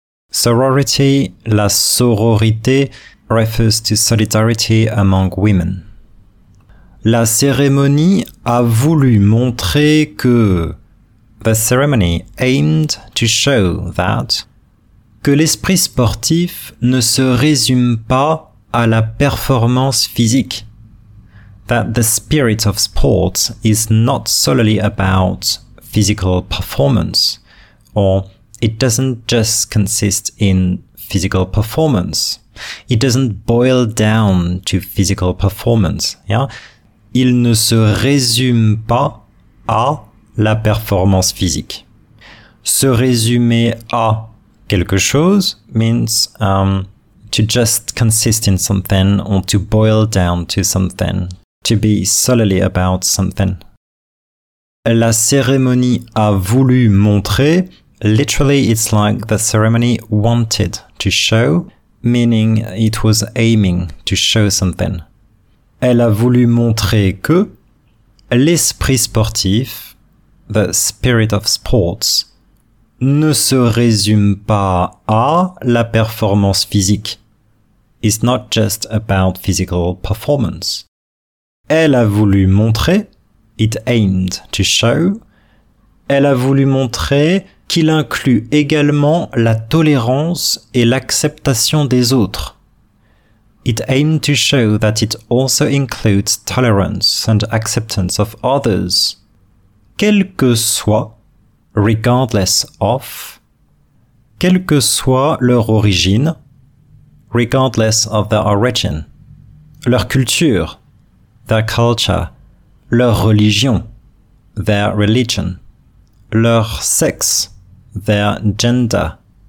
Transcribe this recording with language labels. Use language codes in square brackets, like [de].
[en] Sorority, la sororité, refers to solidarity among women. [fr] La cérémonie a voulu montrer que [en] the ceremony aimed to show that [fr] que l'esprit sportif ne se résume pas à la performance physique. [en] That the spirit of sport is not solely about physical performance, or it doesn't just consist in physical performance. It doesn't boil down to physical performance, yeah? [fr] Il ne se résume pas à la performance physique. Se résumer à quelque chose [en] means to just consist in something or to boil down to something, to be solely about something. [fr] La cérémonie a voulu montrer, [en] literally it's like the ceremony wanted to show, meaning it was aiming to show something. [fr] Elle a voulu montrer que l'esprit sportif, [en] the spirit of sports, [fr] ne se résume pas à la performance physique. [en] It's not just about physical performance. [fr] Elle a voulu montrer, [en] it aimed to show, [fr] elle a voulu montrer qu'il inclut également la tolérance et l'acceptation des autres. [en] It aimed to show that it also includes tolerance and acceptance of others. [fr] Quel que soit, [en] regardless of, [fr] quelle que soit leur origine, [en] regardless of their origin, [fr] leur culture, [en] their culture, [fr] leur religion, [en] their religion, [fr] leur sexe, [en] their gender.